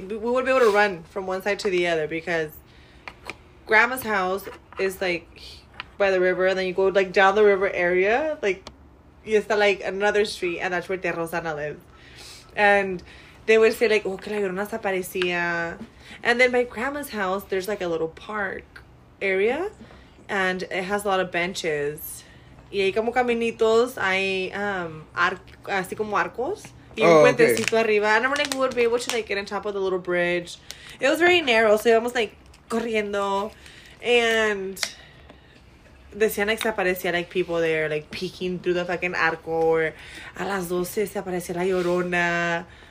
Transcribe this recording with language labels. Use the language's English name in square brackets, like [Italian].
[English] We would be able to run from one side to the other because grandma's house is, like, by the river. And then you go, like, down the river area. Like, it's, like, another street. And that's where Tia Rosana lives. And they would say, like, oh, [Spanish] que la llorona se aparecía. [English] And then by grandma's house, there's, like, a little park area. And it has a lot of benches. [Spanish] Y hay como caminitos, hay así como arcos. Arriba. [English] And I'm like, we would be able to, like, get on top of the little bridge. It was very narrow, so it was, like, corriendo. And decían, like, [Spanish] se aparecía, [English] like, people there, like, peeking through the fucking arco. [Spanish] Or a las 12 se aparecía la llorona.